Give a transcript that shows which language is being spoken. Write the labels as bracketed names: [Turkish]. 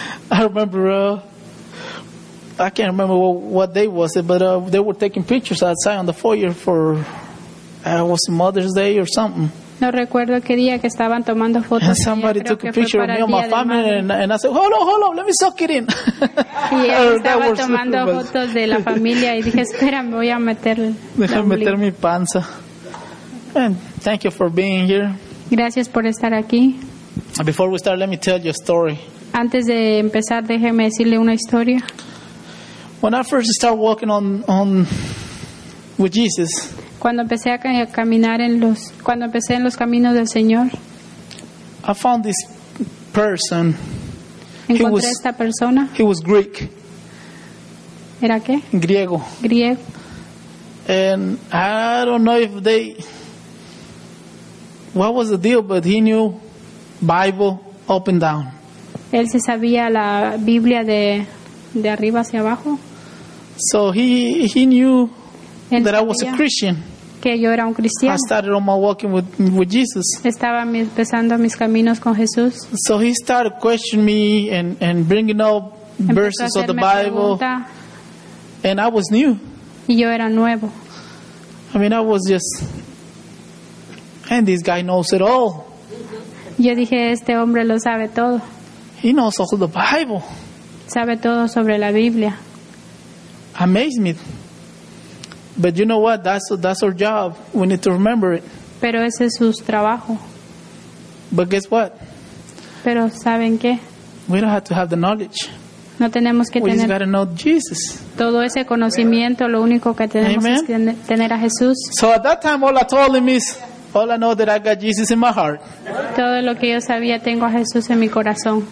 [English] I remember, I can't remember what day was it, but they were taking pictures outside on the foyer for, it was Mother's Day or something. [Spanish] No recuerdo qué día que estaban tomando fotos. [English] And somebody took a picture of me and my family, and I said, hold on, let me soak it in. [Spanish] Y estaba tomando fotos de la familia y dije, espera, me voy a meter. Déjame meter mi panza. [English] And thank you for being here. [Spanish] Gracias por estar aquí. [English] Before we start, let me tell you a story. [Spanish] Antes de empezar, déjeme decirle una historia. [English] When I first started walking on with Jesus, [Spanish] cuando empecé a caminar en los caminos del Señor, [English] I found this person. [Spanish] Encontré esta persona. [English] He was Greek. [Spanish] ¿Era qué? Griego. Griego. [English] And I don't know if they, what was the deal, but he knew Bible up and down. [Spanish] Él se sabía la Biblia de arriba hacia abajo. [English] So he knew él that I was a Christian. [Spanish] Que yo era un cristiano. [English] I started on my walking with Jesus. [Spanish] Estaba empezando mis caminos con Jesús. [English] So he started questioning me and bringing up [Spanish] empezó [English] verses of the Bible. [Spanish] Pregunta. [English] And I was new. [Spanish] Y yo era nuevo. [English] I mean, I was just, and this guy knows it all. [Spanish] Yo dije, este hombre lo sabe todo. [English] He knows all the Bible. [Spanish] Sabe todo sobre la Biblia. [English] Amazed me. But you know what? That's our job. We need to remember it. [Spanish] Pero ese es su trabajo. [English] But guess what? [Spanish] Pero ¿saben qué? [English] We don't have to have the knowledge. [Spanish] No tenemos que [English] we [Spanish] tener [English] just gotta know Jesus. [Spanish] Todo ese conocimiento. Lo único que tenemos [English] amen. [Spanish] Es tener a Jesús. [English] So at that time, all I told him is, all I know that I got Jesus in my heart. [Spanish] Todo lo que yo sabía, tengo a Jesús en mi corazón.